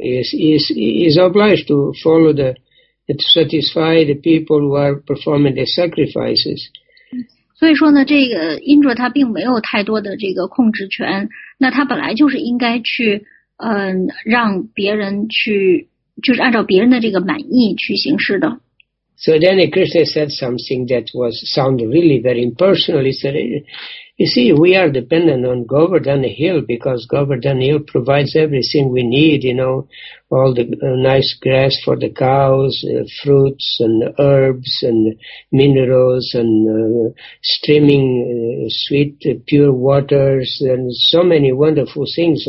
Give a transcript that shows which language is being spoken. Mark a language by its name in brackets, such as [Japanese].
[English] He's obliged to follow to satisfy the people who are performing the sacrifices. [Chinese] 所以说呢，这个 Indra 他并没有太多的这个控制权。那他本来就是应该去让别人去，就是按照别人的这个满意去行事的。 [English] So then Krishna said something that sounded really very impersonal. You see, we are dependent on Govardhan Hill because Govardhan Hill provides everything we need, you know, all the nice grass for the cows, fruits and herbs and minerals and streaming sweet pure waters and so many wonderful things.